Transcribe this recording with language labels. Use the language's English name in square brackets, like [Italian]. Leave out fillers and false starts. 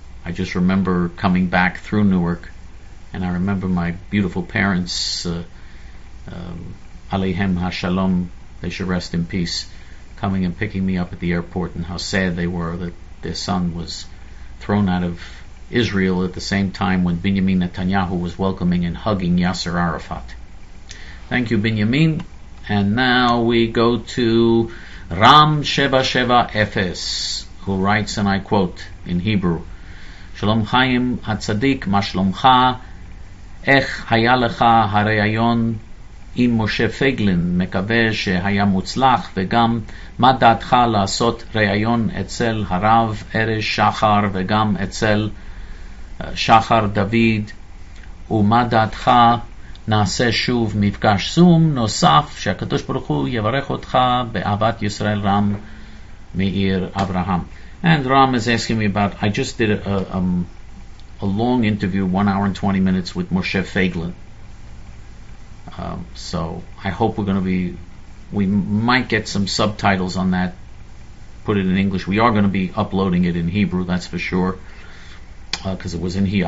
[English] I just remember coming back through Newark, and I remember my beautiful parents, [Hebrew] Aleihem HaShalom, [English] they should rest in peace, coming and picking me up at the airport, and how sad they were that their son was thrown out of Israel at the same time when Benjamin Netanyahu was welcoming and hugging Yasser Arafat. Thank you, Benjamin. And now we go to Ram 770, who writes, and I quote in Hebrew, [Hebrew] Shalom Chaim HaTzadik, Mashlomcha, Ech Hayalecha Harayayon עם משה פייגלין, מקווה שהיה מוצלח, וגם מה דעתך לעשות ראיון אצל הרב ארז שחר וגם אצל שחר דוד, ומה דעתך נעשה שוב מפגש זום נוסף, שהקדוש ברוך הוא יברך אותך באהבת ישראל רם מאיר אברהם. [English] And Ram is asking me about, I just did a long interview, 1 hour and 20 minutes, with Moshe Feiglin. So I hope we might get some subtitles on that, put it in English. We are going to be uploading it in Hebrew, that's for sure, because it was in Hebrew.